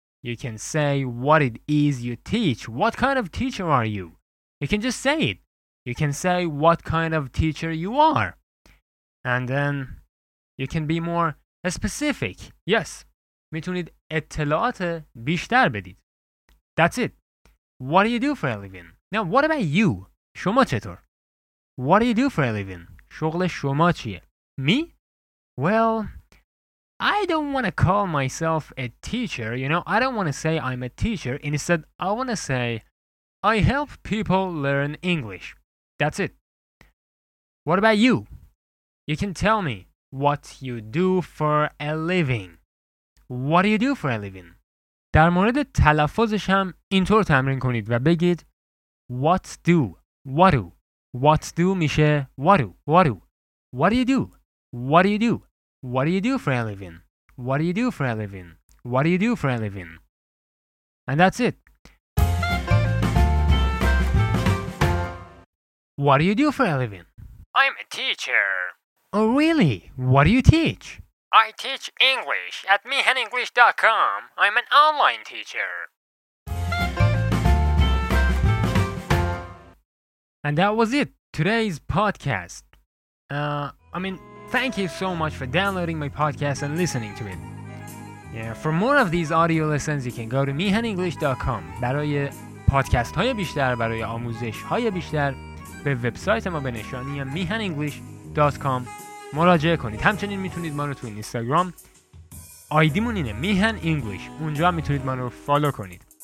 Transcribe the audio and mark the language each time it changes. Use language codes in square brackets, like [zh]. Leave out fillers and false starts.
[en] You can say what it is you teach. What kind of teacher are you? You can just say it. You can say what kind of teacher you are. And then you can be more specific. Yes. [fa] میتونید اطلاعات بیشتر بدید. [en] That's it. What do you do for a living? Now, what about you? [fa] شما چطور؟ [en] What do you do for a living? [fa] شغل شما چیه؟ [en] Me? Well, I don't want to call myself a teacher. You know, I don't want to say I'm a teacher. Instead, I want to say I help people learn English. That's it. What about you? You can tell me What you do for a living. What do you do for a living? [fa] در مورد تلفظش هم اینطور تمرین کنید و بگید [en] What do? What do? What do [fa] میشه [en] What do? What do? What do you do? What do you do? What do you do for a living? What do you do for a living? What do you do for a living? And that's it. What do you do for a living? I'm a teacher. Oh, really? What do you teach? I teach English at mehenenglish.com. I'm an online teacher. And that was it. Today's podcast. Thank you so much for downloading my podcast and listening to it. Yeah, for more of these audio lessons, you can go to mehenenglish.com. [fa] برای پادکست های بیشتر، برای آموزش های بیشتر، به وبسایت ما به نشانی mehenenglish.com مراجعه کنید. همچنین میتونید ما رو تو اینستاگرام، آیدی مون اینه میهن انگلیش، اونجا میتونید ما رو فالو کنید.